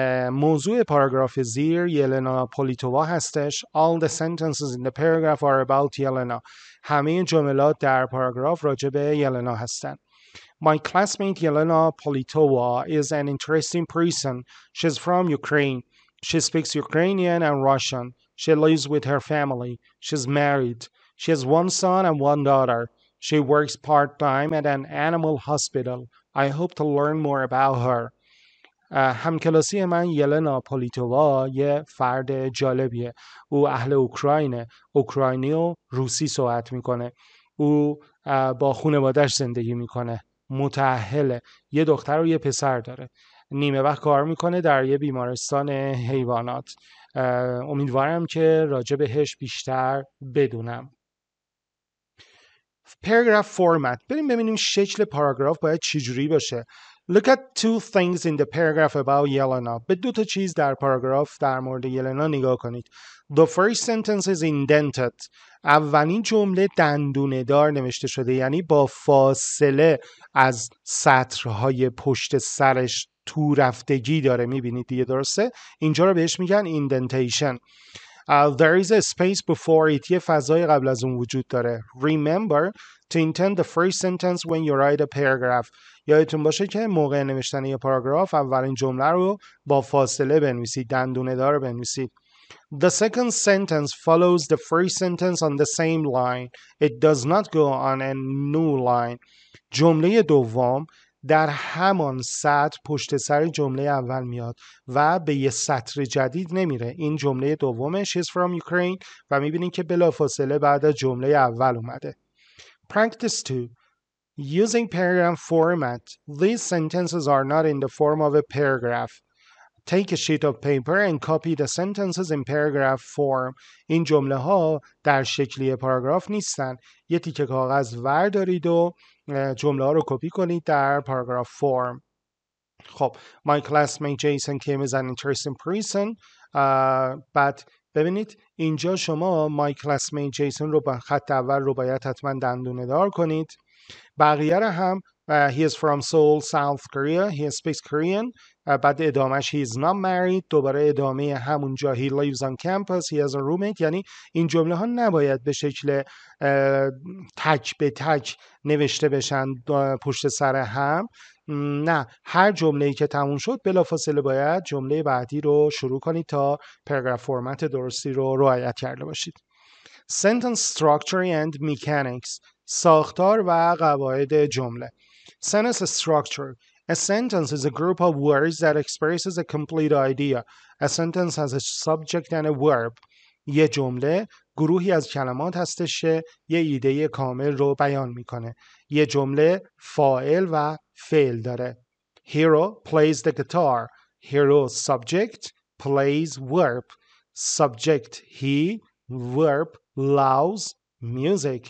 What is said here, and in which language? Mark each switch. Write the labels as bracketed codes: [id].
[fa] موضوع پاراگراف زیر یلنا پولیتووا هستش. [en] All the sentences in the paragraph are about Yelena. [fa] همه جملات در پاراگراف راجع به یلنا هستن. [en] My classmate Yelena Politova is an interesting person. She's from Ukraine. She speaks Ukrainian and Russian. She lives with her family. She's married. She has one son and one daughter. She works part-time at an animal hospital. I hope to learn more about her. [fa] همکلاسی من یلنا پولیتووا یه فرد جالبیه. او اهل اوکراینه. اوکراینی و روسی صحبت میکنه. او با خانوادش زندگی میکنه. متأهله. یه دختر و یه پسر داره. نیمه وقت کار میکنه در یه بیمارستان حیوانات. امیدوارم که راجع بهش بیشتر بدونم. [en] Paragraph format. [fa] بریم ببینیم شکل پاراگراف باید چجوری باشه. [en] Look at two things in the paragraph about Yelena. [fa] به دو تا چیز در پاراگراف در مورد یلنا نگاه کنید. [en] The first sentence is indented. [fa] اولین جمله دندونه دار نوشته شده، یعنی با فاصله از سطرهای پشت سرش تو رفتگی داره، میبینید دیگه، درسته؟ اینجا رو بهش میگن indentation. [en] There is a space before it. [fa] یه فضای قبل از اون وجود داره. [en] Remember to intend the first sentence when you write a paragraph. [fa] یادتون باشه که موقع نوشتن یه پاراگراف اولین جمله رو با فاصله بنویسید، دندونه دار بنویسید. [en] The second sentence follows the first sentence on the same line. It does not go on a new line. [fa] جمله دوم در همان سطر پشت سر جمله اول میاد و به یه سطر جدید نمیره. این جمله دومش [en] is from Ukraine [fa] و میبینین که بلافاصله بعد از جمله اول اومده. [en] Practice 2. Using paragraph format. These sentences are not in the form of a paragraph. Take a sheet of paper and copy the sentences in paragraph form. [fa] این جمله ها در شکلی پاراگراف نیستن. یه تیکه کاغذ وردارید و جمله ها رو کپی کنید در پاراگراف فرم. [en] خب، my classmate Jason Kim is an interesting person. [fa] بعد ببینید اینجا شما [en] my classmate Jason [fa] رو با خط اول رو باید حتما دندونه دار کنید. بقیه رو هم [en] he is from Seoul, South Korea. He speaks Korean. [fa] بعد ادامهش [en] he's not married، [fa] دوباره ادامه همونجا [en] he lives on campus he has a roommate. [fa] یعنی این جمله ها نباید به شکل تک به تک نوشته بشن پشت سر هم، نه، هر جمله‌ای که تموم شد بلافاصله باید جمله بعدی رو شروع کنید تا پاراگراف فرمت درستی رو رعایت کرده باشید. [en] Sentence structure and mechanics، [fa] ساختار و قواعد جمله. [en] Sentence structure: A sentence is a group of words that expresses a complete idea. A sentence has a subject and a verb. [fa] یه جمله گروهی از کلمات هستش که یه ایده کامل رو بیان میکنه. یه جمله فاعل و فعل داره. [en] Hero plays the guitar. Hero subject plays verb. Subject he, verb loves music.